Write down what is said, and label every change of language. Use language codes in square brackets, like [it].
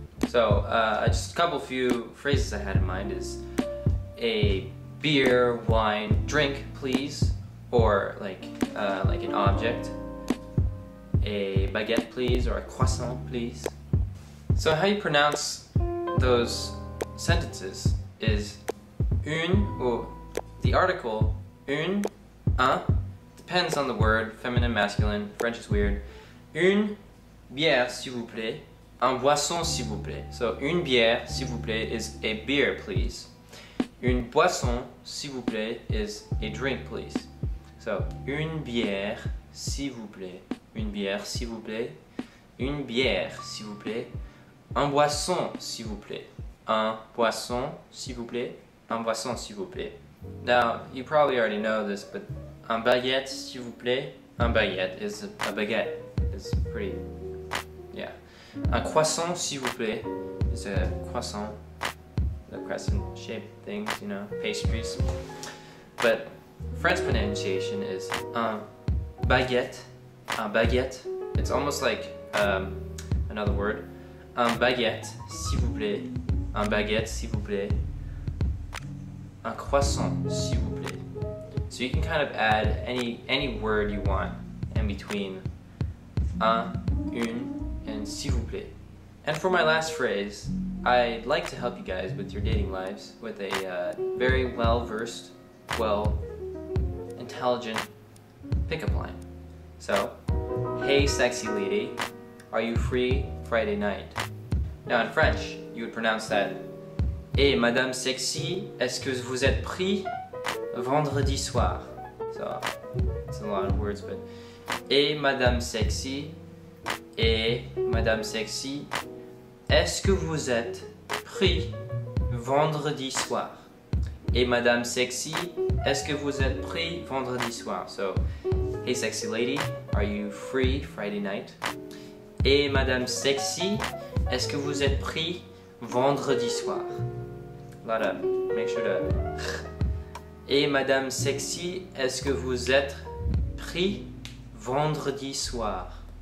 [en] So just a couple few phrases I had in mind is a beer, wine, drink, please, or like an object, a baguette, please, or a croissant, please. So how you pronounce those sentences is une, or the article une, un, depends on the word, feminine, masculine, French is weird. [fr] Une bière, s'il vous plaît. Un boisson, s'il vous plaît. [en] So, [fr] une bière, s'il vous plaît, [en] is a beer, please. [fr] Une boisson, s'il vous plaît, [en] is a drink, please. [fr] So, une bière, s'il vous plaît. Une bière, s'il vous plaît. Une bière, s'il vous plaît. Un boisson, s'il vous plaît. Un boisson, s'il vous plaît. Un boisson, s'il vous plaît. [en] Now, you probably already know this, but [fr] un baguette, s'il vous plaît. [en] Un baguette is a baguette. It's pretty, yeah. [fr] Un croissant, s'il vous plaît, [en] is a croissant. The crescent-shaped things, you know, pastries. But French pronunciation is un baguette, it's almost like another word. [fr] Un baguette, s'il vous plaît, un baguette, s'il vous plaît. Un croissant, s'il vous plaît. [en] So you can kind of add any word you want in between un, une, and s'il vous plaît. And for my last phrase, I'd like to help you guys with your dating lives with a very well-versed, well-intelligent pickup line. So, hey sexy lady, Are you free Friday night? Now in French, you would pronounce that. [fr] Hey, Madame Sexy, est-ce que vous êtes pris vendredi soir? [en] So, it's a lot of words, but... [fr] Hey, Madame Sexy. Hey, Madame Sexy. Est-ce que vous êtes pris vendredi soir? Hey, Madame Sexy. Est-ce que vous êtes pris vendredi soir? [en] So, hey, sexy lady, are you free Friday night? [fr] Hey, Madame Sexy. Est-ce que vous êtes pris vendredi soir? [en] Make sure to... [fr] Hey, Madame Sexy, est-ce que vous êtes pris vendredi soir?